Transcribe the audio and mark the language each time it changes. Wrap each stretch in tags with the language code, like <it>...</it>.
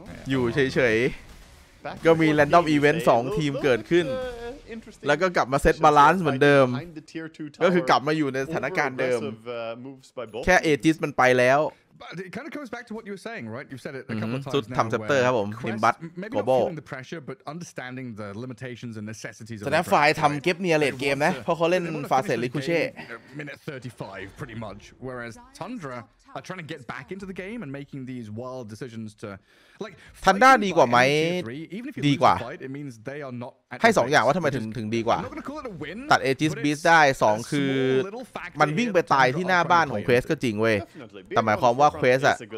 <th>อยู่เฉยๆก็มีแรนดอมอีเวนต์2ทีมเกิดขึ้นแล้วก็กลับมาเซตบาลานซ์เหมือนเดิมก็คือกลับมาอยู่ในสถานการณ์เดิมแค่เอจิสมันไปแล้ว</th> <en>But it kind of comes back to what you were saying, right? You've said it a couple of times now. Where Quest, maybe not feeling the pressure, but understanding the limitations and necessities of the fight. So that fight, they're playing the late game, right? Because they're playing Fast Lane. Minute 35, pretty much. Whereas Tundra are trying to get back into the game and making these wild decisions to, like, Tundra is better, right? Even if you lose the fight, it means they are not.</en> <th>ให้สองอย่างว่าทำไมถึงดีกว่าตัดเอจิสบีสได้2คือมันวิ่งไปตายที่หน้าบ้านของเควสก็จริงเว้ยแต่หมายความว่าเควสอะ</th>